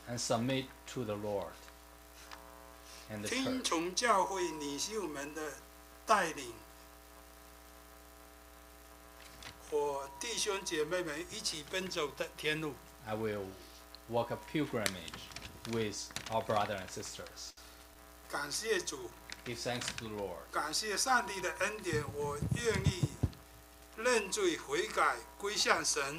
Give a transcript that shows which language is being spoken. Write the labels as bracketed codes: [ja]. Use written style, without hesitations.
[en] and submit to the Lord and the church [zh] 听从教会领袖们的带领和弟兄姐妹们一起奔走的天路 [en] I willWalk a pilgrimage with our brothers and sisters. [zh] 感谢主。 [en] Give thanks to the Lord. [zh] 感谢上帝的恩典，我愿意认罪悔改，归向神。